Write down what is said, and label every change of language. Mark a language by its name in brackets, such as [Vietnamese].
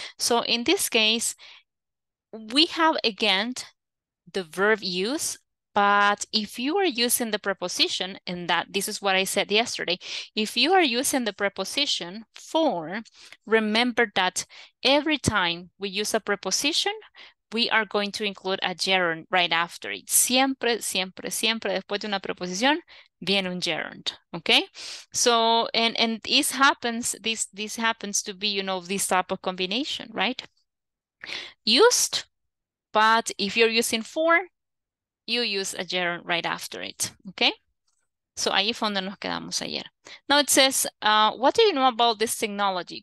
[English] So in this case, we have, again, the verb use, but if you are using the preposition, and that this is what I said yesterday, if you are using the preposition for, remember that every time we use a preposition, we are going to include a gerund right after it. [Spanish] Siempre, siempre, siempre después de una preposición, viene un gerund, okay? [English] So, and this happens, this happens to be, you know, this type of combination, right? Used, but if you're using for, you use a gerund right after it, okay? So [Spanish] ahí fue donde nos quedamos ayer. [English] Now it says, what do you know about this technology?